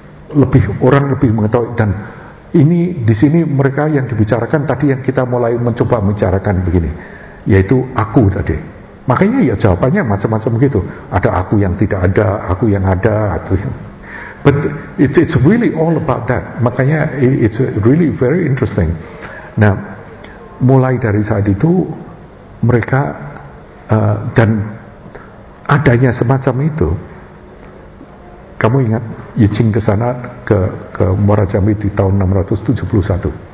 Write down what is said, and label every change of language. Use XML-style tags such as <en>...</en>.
<id>Lebih orang lebih mengetahui. Dan ini di sini mereka yang dibicarakan tadi yang kita mulai mencoba bicarakan begini, yaitu aku tadi. Makanya ya jawabannya macam-macam gitu. Ada aku yang tidak ada, aku yang ada, atau yang</id> <en>but it's really all about that.</en> <id>Makanya</id> <en>it's really very interesting.</en> <id>Nah, mulai dari saat itu mereka dan adanya semacam itu. Kamu ingat Yijing kesana ke Muara Jambi di tahun 671.</id>